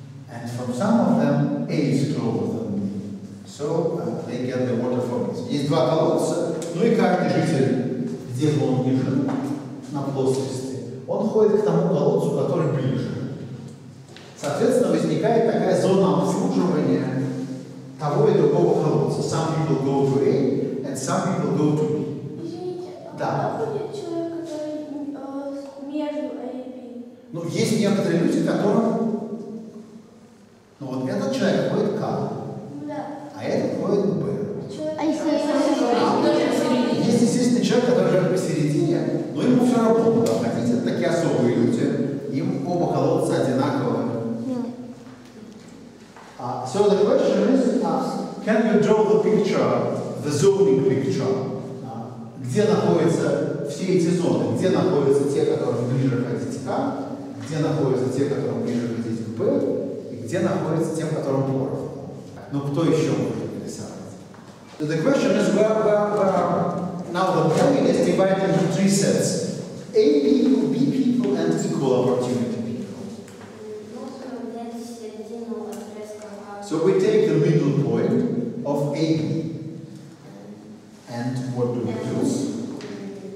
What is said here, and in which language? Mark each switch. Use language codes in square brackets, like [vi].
[en] And for some of them, A is closer than B. So they get their water from B. [ru] Есть два колодца. Ну и каждый житель, где бы он ни жил, на плоскости, он ходит к тому колодцу, который ближе. Соответственно, возникает такая зона обслуживания того и другого колодца. [en] Some people go to A, and some people go to B. [ru] Извините, да. А как будет человек, который между A и B? Ну, есть некоторые люди, которым... Ну вот этот человек ходит к А, да. А этот ходит к Б. Есть, естественно, человек, который живет посередине, но ему все равно куда ходить. Это такие особые люди, им оба колодца одинаковые. [en] So the question is, can you draw the picture, the zoning picture? [ru] Где находятся все эти зоны? Где находятся те, которым ближе ходить к А? Где находятся те, которым ближе ходить к Б? И где находятся те, которым поровну? Ну, кто еще может нарисовать? [en] So the question is, where now the plane is divided into three sets. A people, B people, and equal opportunity. So we take the middle point of AB. And what do we do?